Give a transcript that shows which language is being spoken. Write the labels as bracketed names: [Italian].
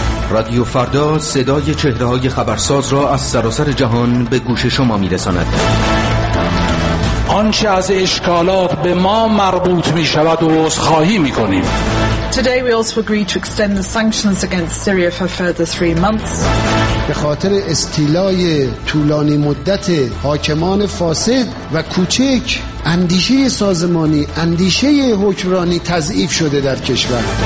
[Persian] رادیو فردا صدای چهره‌های خبرساز را از سراسر جهان به گوش شما می‌رساند. آنچه از اشکالات به ما مربوط می‌شود و عذرخواهی می‌کنیم. [English] Today we also agree to extend the sanctions against Syria for further 3 months. [Persian] به خاطر استیلای طولانی مدت حاکمان فاسد و کوچک، اندیشه سازمانی، اندیشه حکمرانی تضعیف شده در کشور.